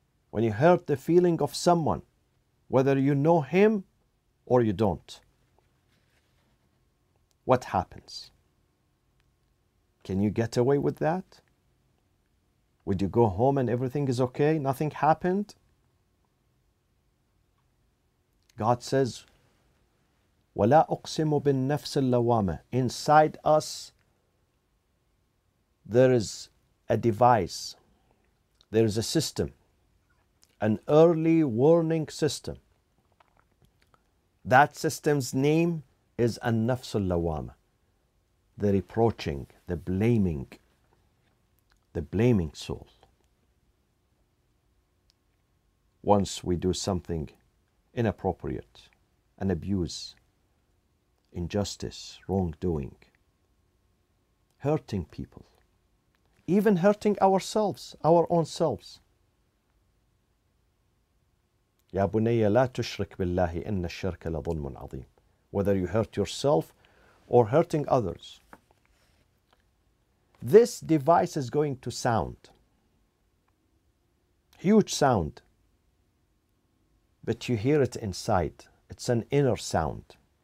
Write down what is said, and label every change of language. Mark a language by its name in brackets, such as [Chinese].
[English] When you hurt the feeling of someone, whether you know him or you don't, what happens? Can you get away with that? Would you go home and everything is okay? Nothing happened? God says, [Arabic] وَلَا أُقْسِمُ بِالنَّفْسِ اللَّوَامَةِ. [English] Inside us, there is a device. There is a system. An early warning system. That system's name is [Arabic] النَّفْسُ اللَّوَامَةِ. [English] The reproaching, the blaming soul. once we do something inappropriate, an abuse, injustice, wrongdoing, hurting people, even hurting ourselves, our own selves. [Arabic] يا بني لا تشرك بالله إن الشرك لظلم عظيم. [English] Whether you hurt yourself or hurting others. This device is going to sound. Huge sound. But you hear it inside. It's an inner sound.